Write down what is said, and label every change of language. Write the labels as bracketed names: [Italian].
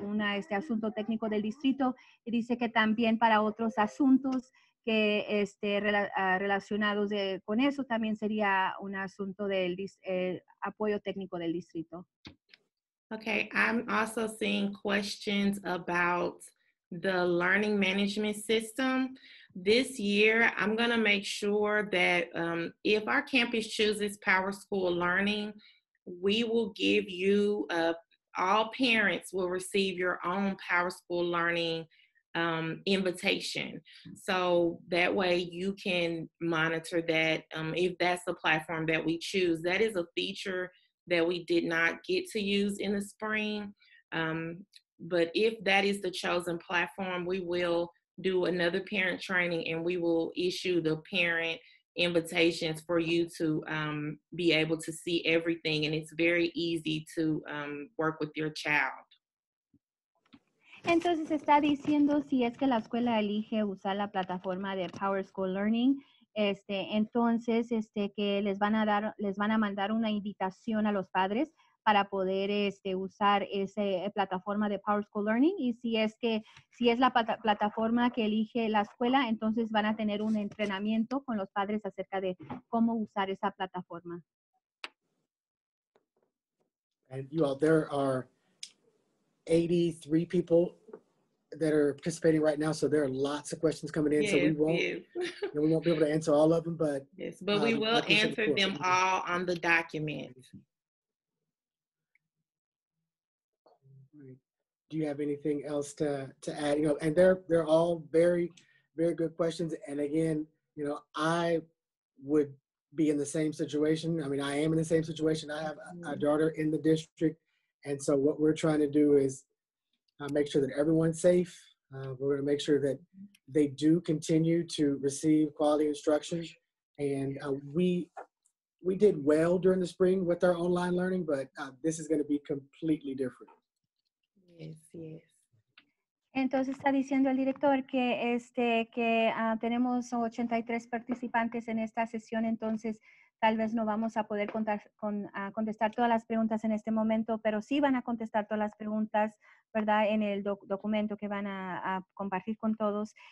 [Spanish] Un asunto técnico del distrito. Y dice que también para otros asuntos que relacionados con eso también sería un asunto del apoyo técnico del distrito. [English] Okay, I'm also seeing questions about the learning management system. This year, I'm going to make sure that if our campus chooses PowerSchool Learning, we will give you, all parents will receive your own PowerSchool Learning invitation. So that way you can monitor that if that's the platform that we choose. That is a feature that we did not get to use in the spring. But if that is the chosen platform, we will do another parent training and we will issue the parent invitations for you to be able to see everything. And it's very easy to work with your child. [Spanish] Entonces está diciendo si es que la escuela elige usar la plataforma de Power School Learning, entonces que les van a mandar una invitación a los padres para poder usar esa plataforma de Power School Learning, y si es la plataforma que elige la escuela, entonces van a tener un entrenamiento con los padres acerca de cómo usar esa plataforma. [English] And you all, there are 83 people that are participating right now, so there are lots of questions coming in. Yes, so we won't, yes. We won't be able to answer all of them, but yes, but we will answer them all on the document. Do you have anything else to add? You know, and they're all very, very good questions. And again, you know, I would be in the same situation. I mean, I am in the same situation. I have a daughter in the district. And so what we're trying to do is make sure that everyone's safe. We're going to make sure that they do continue to receive quality instruction. And we did well during the spring with our online learning, but this is going to be completely different. Yes, yes. [Spanish] Entonces está diciendo el director que tenemos 83 participantes en esta sesión, entonces tal vez no vamos a poder contestar todas las preguntas en este momento, pero sí van a contestar todas las preguntas, ¿verdad?, en el documento que van a compartir con todos.